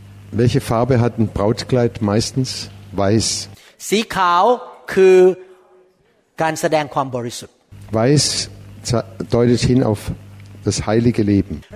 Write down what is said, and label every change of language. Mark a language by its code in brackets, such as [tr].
[de] Welche Farbe hat ein Brautkleid meistens? Weiß. [th] สีขาวคือการแสดงความบริสุทธิ์ [de] Weiß deutet hin auf das heilige Leben.